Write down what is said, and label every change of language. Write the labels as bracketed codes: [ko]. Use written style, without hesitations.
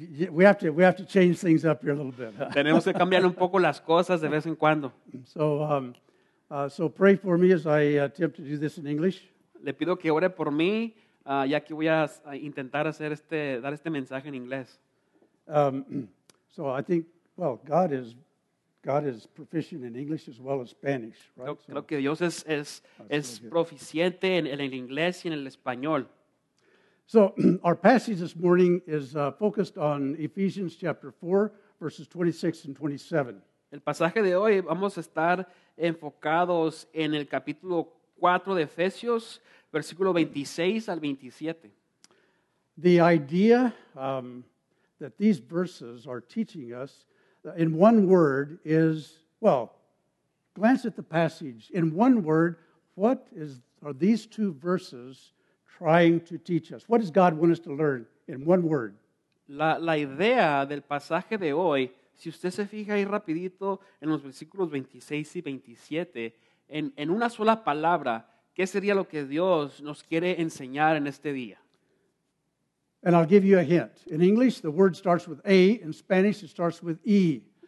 [en] We have to change things up here a little bit. [es] Tenemos que cambiar un poco las cosas de vez en cuando. [en] So pray for me as I attempt to do this in English. [es] Le pido que ore por mí. Ya que voy a intentar hacer dar este mensaje en inglés. [en] So I think, well, God is proficient in English as well as Spanish, right? [es] Creo que Dios es proficiente en el inglés y en el español. [en] So our passage this morning is focused on Ephesians chapter 4, verses 26 and 27. [es] El pasaje de hoy vamos a estar enfocados en el capítulo 4 de Efesios, versículo 26 al 27. [en] The idea that these verses are teaching us in one word is, well, glance at the passage. In one word, what are these two verses trying to teach us? What does God want us to learn in one word? [es] La idea del pasaje de hoy, si usted se fija ahí rapidito en los versículos 26 y 27, en una sola palabra, ¿qué sería lo que Dios nos quiere enseñar en este día? [en] And I'll give you a hint. In English, the word starts with A. In Spanish, it starts with E.